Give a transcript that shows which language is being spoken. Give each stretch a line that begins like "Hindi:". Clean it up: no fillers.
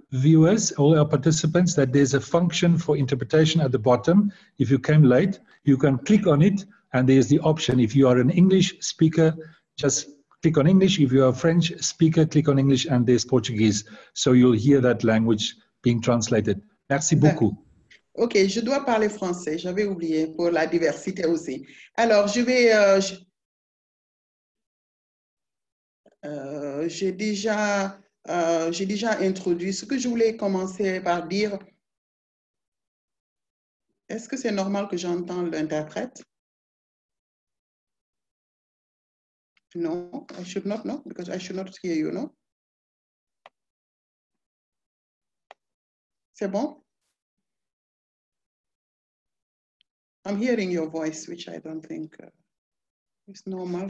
English: viewers, all our participants, that there's a function for interpretation at the bottom. If you came late, you can click on it, and there's the option. If you are an English speaker, just click on English. If you are a French speaker, click on English, and there's Portuguese. So you'll hear that language being translated.
French: Merci beaucoup. Ok, je dois parler français, j'avais oublié, pour la diversité aussi. Alors, je vais... J'ai déjà introduit ce que je voulais commencer par dire. Est-ce que c'est normal que j'entende l'interprète?
English: Non, I should not know, because I should not hear you, no?
French: C'est bon?
English: I'm hearing your voice, which I don't think is normal.